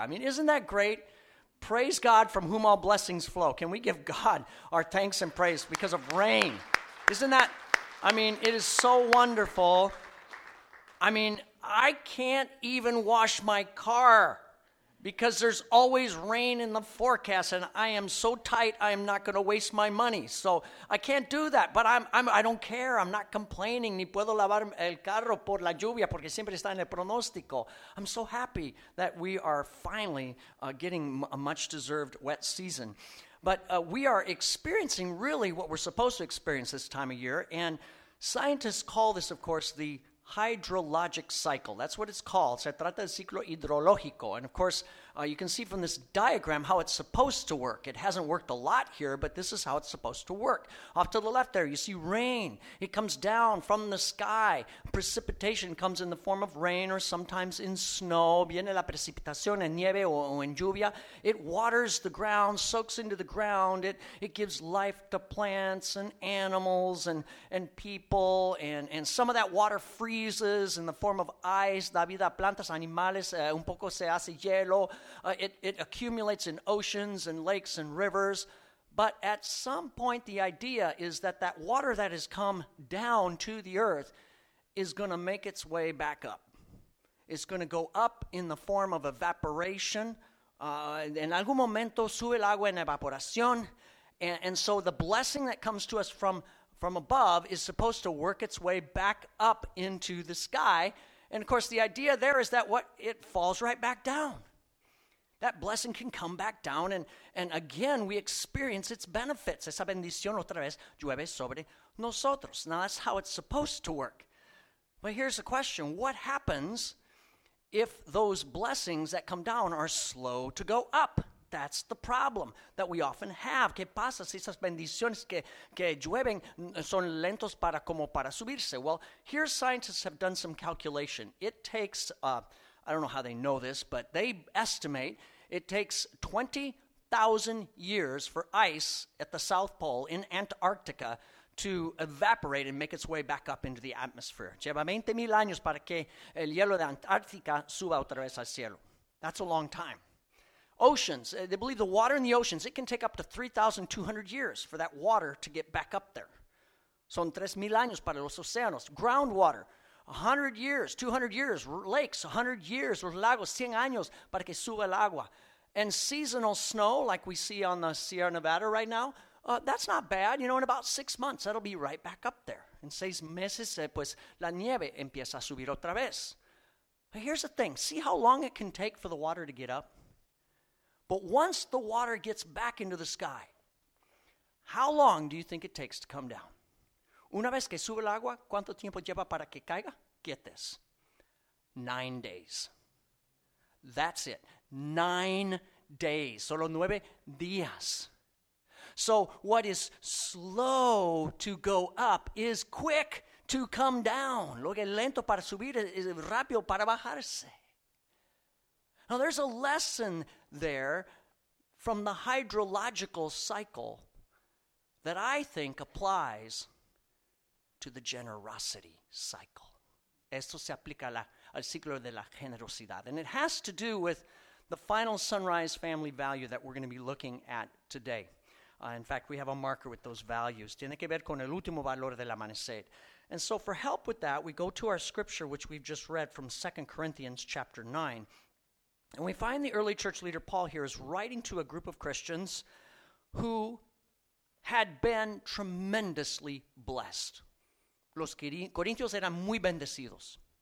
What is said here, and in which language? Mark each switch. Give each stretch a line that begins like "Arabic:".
English: I mean, isn't that great? Praise God from whom all blessings flow. Can we give God our thanks and praise because of rain? Isn't that, I mean, it is so wonderful. I mean, I can't even wash my car because there's always rain in the forecast, and I am so tight, I am not going to waste my money. So I can't do that, but I don't care. I'm not complaining.
Spanish: Ni puedo lavar el carro por la lluvia porque siempre está en el pronóstico.
English: I'm so happy that we are finally getting a much-deserved wet season. But we are experiencing really what we're supposed to experience this time of year, and scientists call this, of course, the hydrologic cycle. That's what it's called.
Spanish: Se trata del ciclo hidrológico.
English: And of course, you can see from this diagram how it's supposed to work. It hasn't worked a lot here, but this is how it's supposed to work. Off to the left there, you see rain. It comes down from the sky. Precipitation comes in the form of rain or sometimes in snow.
Spanish: Viene la precipitación en nieve o en lluvia.
English: It waters the ground, soaks into the ground. It gives life to plants and animals and people. And some of that water freezes in the form of ice.
Spanish: Da vida a plantas, animales. Un poco se hace hielo.
English: It accumulates in oceans and lakes and rivers. But at some point, the idea is that that water that has come down to the earth is going to make its way back up. It's going to go up in the form of evaporation.
Spanish: En algún momento sube el agua en evaporación.
English: And so the blessing that comes to us from above is supposed to work its way back up into the sky. And, of course, the idea there is that it falls right back down. That blessing can come back down, and again, we experience its benefits.
Spanish: Esa bendición otra vez llueve sobre nosotros.
English: Now, that's how it's supposed to work. But here's the question. What happens if those blessings that come down are slow to go up? That's the problem that we often have.
Spanish: ¿Qué pasa si esas bendiciones que llueven son lentos para como para subirse?
English: Well, here scientists have done some calculation. It takes... I don't know how they know this, but they estimate it takes 20 3,000 years for ice at the South Pole in Antarctica to evaporate and make its way back up into the atmosphere.
Spanish: Lleva 20,000 años para que el hielo de Antártica suba otra vez al cielo.
English: That's a long time. Oceans, they believe the water in the oceans, it can take up to 3,200 years for that water to get back up there.
Spanish: Son 3,000 años para los océanos.
English: Groundwater, 100 years, 200 years. Lakes, 100 years.
Spanish: Los lagos, 100 años para que suba el agua.
English: And seasonal snow, like we see on the Sierra Nevada right now, that's not bad. You know, in about 6 months, that'll be right back up there.
Spanish: En 6 meses, pues, la nieve empieza a subir otra vez.
English: But here's the thing. See how long it can take for the water to get up? But once the water gets back into the sky, how long do you think it takes to come down?
Spanish: Una vez que sube el agua, ¿cuánto tiempo lleva para que caiga?
English: Get this. 9 days. That's it. 9 days.
Spanish: Solo 9 días.
English: So what is slow to go up is quick to come down.
Spanish: Lo que es lento para subir es rápido para bajarse.
English: Now there's a lesson there from the hydrological cycle that I think applies to the generosity cycle.
Spanish: Esto se aplica al ciclo de la generosidad.
English: And it has to do with the final sunrise family value that we're going to be looking at today. In fact, we have a marker with those values.
Spanish: Tiene que ver con el último valor del amanecer.
English: And so for help with that, we go to our scripture, which we've just read from 2 Corinthians chapter 9. And we find the early church leader Paul here is writing to a group of Christians who had been tremendously blessed.
Spanish: Los corintios eran muy bendecidos.